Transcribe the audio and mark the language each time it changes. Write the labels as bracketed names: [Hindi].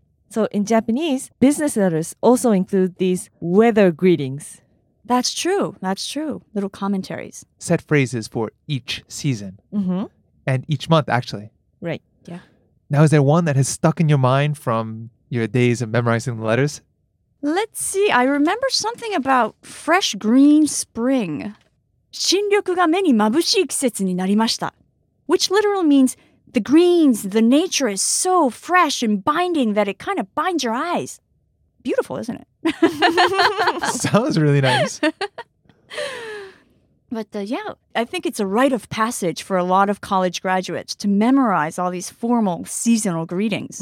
[English] So in Japanese, business letters also include these weather greetings. That's true. That's true. Little commentaries. Set phrases for each season. Mm-hmm. And each month, actually. Right. Yeah. Now, is there one that has stuck in your mind from your days of memorizing the letters? Let's see. I remember something about fresh green spring. [Japanese] 新緑が目に眩しい季節になりました. [English] Which literally means the greens, the nature is so fresh and binding that it kind of binds your eyes. Beautiful, isn't it? Sounds really nice. But yeah, I think it's a rite of passage for a lot of college graduates to memorize all these formal seasonal greetings.